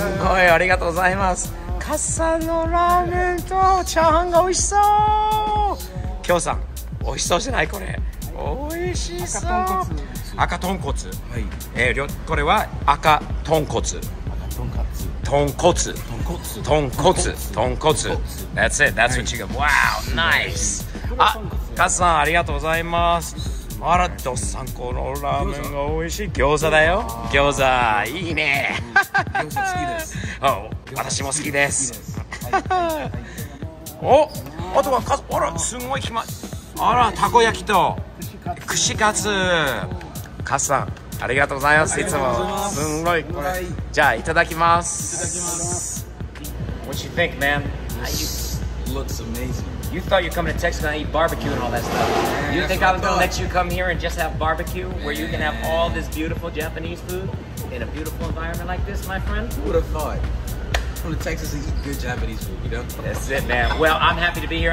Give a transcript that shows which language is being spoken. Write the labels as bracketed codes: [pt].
[ja] すごい、ありがとうございます。カスさんのラーメンとチャーハンが美味しそう。キョウさん、美味しそうじゃないこれ、はい、美味しそう。赤豚骨、はい、これは赤豚骨、豚骨、豚骨、豚骨、豚骨、 [en] That's it, that's what you got. Wow, nice. [ja] あ、カスさん、ありがとうございます。あら、どっさんこのラーメンが美味しい。餃子だよ、餃子、いいね。餃子好きです。あ、私も好きです。お、あとはカツ、あら、すごい決まっ、あら、たこ焼きと串カツ。カツさん、ありがとうございます。いつもすんごい、これ、じゃあ、いただきます。 [en] What you think, man? This looks amazing. You thought you'd come to Texas and eat barbecue and all that stuff. Man, you think I was going to let you come here and just have barbecue, man, where you can have all this beautiful Japanese food in a beautiful environment like this, my friend? Who would have thought? Come to Texas and eat good Japanese food, you know? That's it, man. Well, I'm happy to be here.